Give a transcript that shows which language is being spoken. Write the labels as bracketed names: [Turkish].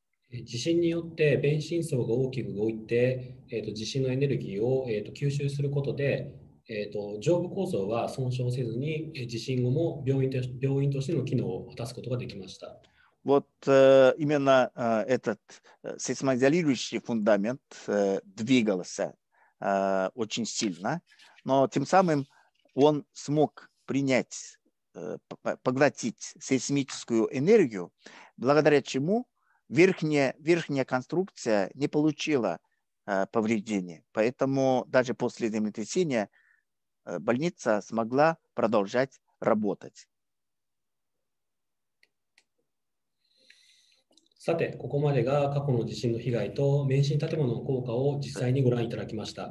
[Japanese] 地震によって免震層が大きく動いて、地震のエネルギーを、吸収することで、上部構造は損傷せずに、地震後も病院としての機能を果たすことができました。 [Russian] Вот именно этот сейсмоизолирующий фундамент двигался очень сильно, но тем самым он смог принять, поглотить сейсмическую энергию, благодаря чему Верхняя конструкция не получила повреждений, поэтому даже после землетрясения больница смогла продолжать работать. [Japanese] さて、ここまでが過去の地震の被害と免震建物の効果を実際にご覧いただきました。